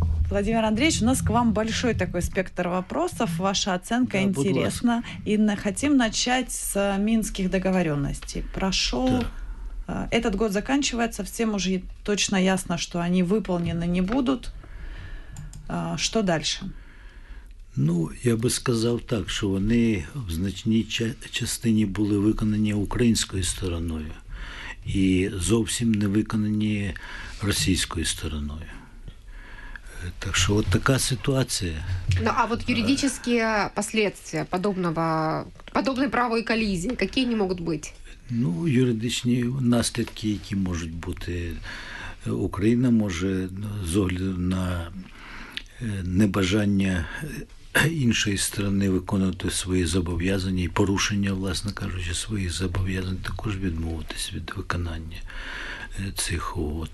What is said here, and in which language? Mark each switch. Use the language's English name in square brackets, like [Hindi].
[Russian] Владимир Андреевич, у нас к вам большой такой спектр вопросов. Ваша оценка интересна. И хотим начать с минских договоренностей. Прошел этот год, заканчивается, всем уже точно ясно, что они выполнены не будут. Что дальше? [Ukrainian] Ну, я би сказав так, що вони в значній частині були виконані українською стороною і зовсім не виконані російською стороною. [Russian] Так что вот такая ситуация. Ну, а вот юридические последствия подобной правовой коллизии, какие они могут быть? [Ukrainian] Ну, юридичные наслідки, які можуть бути. Україна може, з огляду на небажання іншої сторони виконувати свої зобов'язання і порушення, власне кажучи, своїх зобов'язань, також відмовитись від виконання цих угод.